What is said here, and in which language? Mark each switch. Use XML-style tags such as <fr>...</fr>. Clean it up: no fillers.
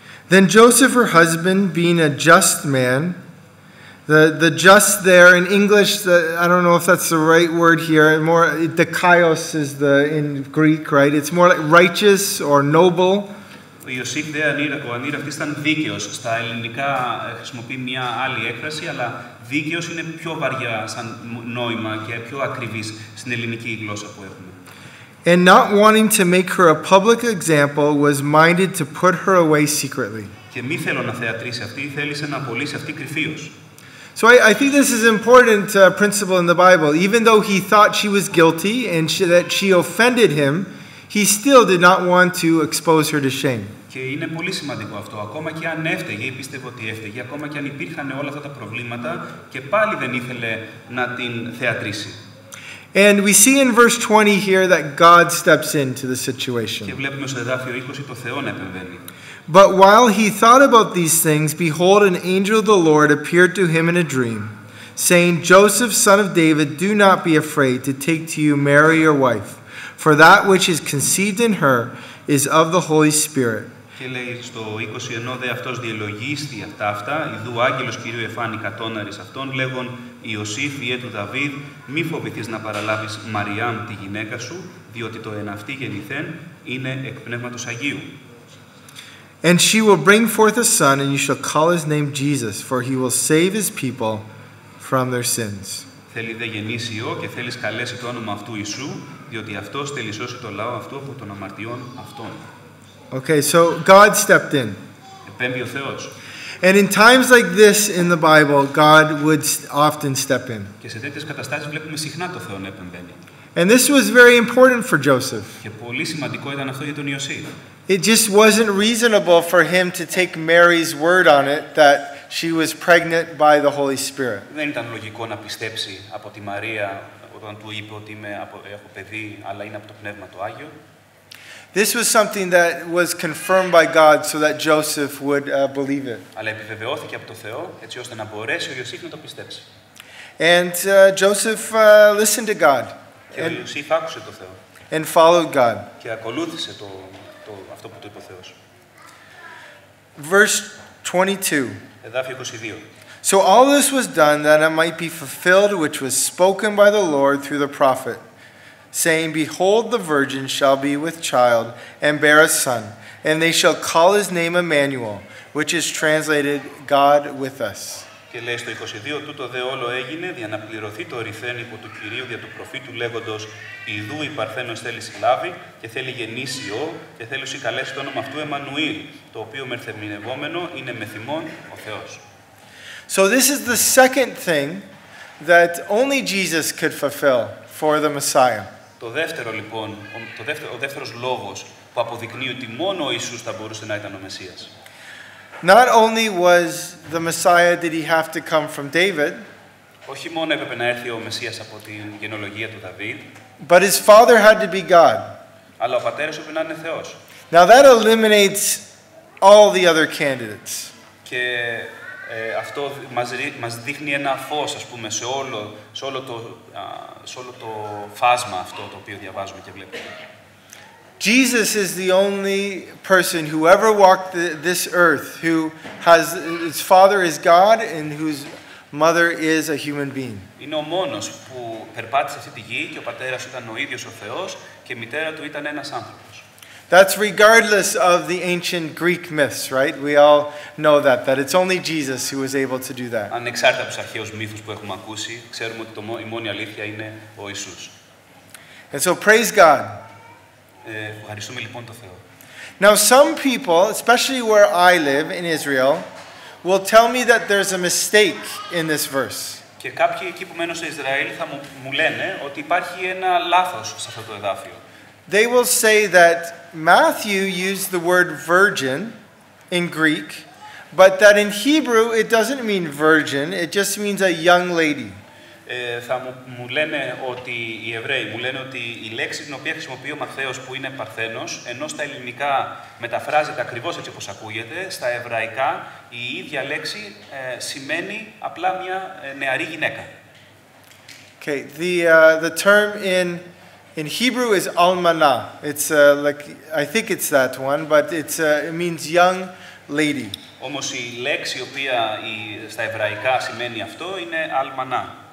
<en>Then Joseph, her husband, being a just man, the just there in English, I don't know if that's the right word here, more the kaios is the in Greek, right? It's more like righteous or noble.</en> <el>Ο Ιωσήφ δε ανήραυτής ήταν δίκαιος. Στα ελληνικά χρησιμοποιεί μια άλλη έκφραση, αλλά δίκαιος είναι πιο βαριά σαν νόημα και πιο ακριβής στην ελληνική γλώσσα που έχουμε.</el> <en>And not wanting to make her a public example, was minded to put her away secretly.</en> <el>Και μη θέλω να θεατρήσει αυτή, θέλησε να απολύσει αυτή κρυφίως.</el> <en>So I think this is an important principle in the Bible. Even though he thought she was guilty and that she offended him, he still did not want to expose her to shame.</en> <el>Και είναι πολύ σημαντικό αυτό. Ακόμα και αν έφταιγε, πίστευε ότι έφταιγε, ακόμα και αν υπήρχαν όλα αυτά τα προβλήματα, και πάλι δεν ήθελε να την θεατρήσει.</el> <en>And we see in verse 20 here that God steps into the situation.</en> <el>Και βλέπουμε στο εδάφιο 20 το Θεό να επεμβαίνει.</el> <en>But while he thought about these things, behold, an angel of the Lord appeared to him in a dream, saying, Joseph, son of David, do not be afraid to take to you Mary, your wife, for that which is conceived in her is of the Holy Spirit.</en> <el>Και λέει στο 20, ενώ δε αυτός διελογίστη αυτά αυτά, ιδού άγγελος Κυρίου εφάνει κατώναρης αυτών, λέγον Ιωσήφ, ιέ του Δαβίδ, μη φοβηθείς να παραλάβεις Μαριάμ τη γυναίκα σου, διότι το εν αυτή γεννηθέν είναι εκ πνεύματος Αγίου.</el> <en>And she will bring forth a son, and you shall call his name Jesus, for he will save his people from their sins.</en> <el>Θέλει δε γεννήσει ιό και θέλεις καλέσει το όνομα αυτού Ιησού, διότι αυτός θέλει σώσει το λαό αυτού από των αμαρτιών αυτών.</el> <en>Okay, so God stepped in.</en> <el>Επέμβει ο Θεός.</el> <en>And in times like this in the Bible, God would often step in.</en> <el>Και σε τέτοιες καταστάσεις βλέπουμε συχνά το Θεό να επεμβαίνει.</el> <en>And this was very important for Joseph.</en> <el>Και πολύ σημαντικό ήταν αυτό για τον Ιωσήφ.</el> <en>It just wasn't reasonable for him to take Mary's word on it that she was pregnant by the Holy Spirit.</en> <el>Δεν ήταν λογικό να πιστέψει από τη Μαρία όταν του είπε ότι έχω παιδί, αλλά είναι από το Πνεύμα το Άγιο.</el> <en>This was something that was confirmed by God so that Joseph would believe it.</en> <el>Αλλά επιβεβαιώθηκε από το Θεό έτσι ώστε να μπορέσει ο Ιωσήφ να το πιστέψει.</el> <en>And Joseph listened to God.</en> <el>Και ο Ιωσήφ άκουσε το Θεό.</el> <en>And followed God.</en> <el>Και ακολούθησε το αυτό που του είπε ο Θεός.</el> <en>Verse 22.</en> <el>Εδάφιο 22.</el> <en>So all this was done that it might be fulfilled which was spoken by the Lord through the prophet. Saying, Behold, the virgin shall be with child and bear a son, and they shall call his name Emmanuel, which is translated God with us.</en> <el>Και λέει στο 22, τούτο δε όλο έγινε, δια να πληρωθεί το ρηθέν υπό του Κυρίου, δια του προφήτου λέγοντος, ιδού η Παρθένος θέλει συλλάβει, και θέλει γεννήσει ο, και θέλει συγκαλέσει το όνομα αυτού Εμμανουήλ, το οποίο μερθεμινευόμενο είναι με θυμόν ο Θεός.</el> <en>So this is the second thing that only Jesus could fulfill for the Messiah.</en> <el>Το δεύτερο λοιπόν, ο δεύτερος λόγος που αποδεικνύει ότι μόνο ο Ιησούς θα μπορούσε να ήταν ο Μεσσίας.</el> <en>Not only was the Messiah did he have to come from David,</en> <el>όχι μόνο έπρεπε να έρθει ο Μεσσίας από την γενεολογία του Δαβίδ,</el> <en>but his father had to be God.</en> <el>Αλλά ο πατέρας έπρεπε να είναι Θεός.</el> <en>Now that eliminates all the other candidates.</en> <el>Και αυτό μας δείχνει ένα φως, ας πούμε, σε όλο το φάσμα αυτό το οποίο διαβάζουμε και βλέπουμε.</el> <en>Jesus is the only person who ever walked this earth who has his father is God and whose mother is a human being.</en> <el>Είναι ο μόνος που περπάτησε αυτή τη γη και ο πατέρας ήταν ο ίδιος ο Θεός και η μητέρα του ήταν ένας άνθρωπος.</el> <en>That's regardless of the ancient Greek myths, right? We all know that it's only Jesus who was able to do that.</en> <el>Ανεξάρτητα από τους αρχαίους μύθους που έχουμε ακούσει, ξέρουμε ότι η μόνη αλήθεια είναι ο Ιησούς.</el> <en>And so praise God.</en> <el>Ευχαριστούμε λοιπόν τον Θεό.</el> <en>Now some people, especially where I live in Israel, will tell me that there's a mistake in this verse.</en> <el>Και κάποιοι εκεί που μένουν στο Ισραήλ θα μου λένε ότι υπάρχει ένα λάθος σε αυτό το εδάφιο.</el> <en>They will say that Matthew used the word virgin in Greek, but that in Hebrew it doesn't mean virgin, it just means a young lady.</en> <el>Θα μου λένε ότι οι Εβραίοι μου λένε ότι η λέξη την οποία χρησιμοποιεί ο Ματθαίος που είναι Παρθένος, ενώ στα ελληνικά μεταφράζεται ακριβώς έτσι όπως ακούγεται, στα εβραϊκά η ίδια λέξη σημαίνει απλά μια νεαρή γυναίκα.</el> <en>Okay, the term in Hebrew is almana. It's like I think it's that one, but it means young lady.</en> <el>Όμως η λέξη η οποία στα εβραϊκά σημαίνει αυτό είναι almana.</el>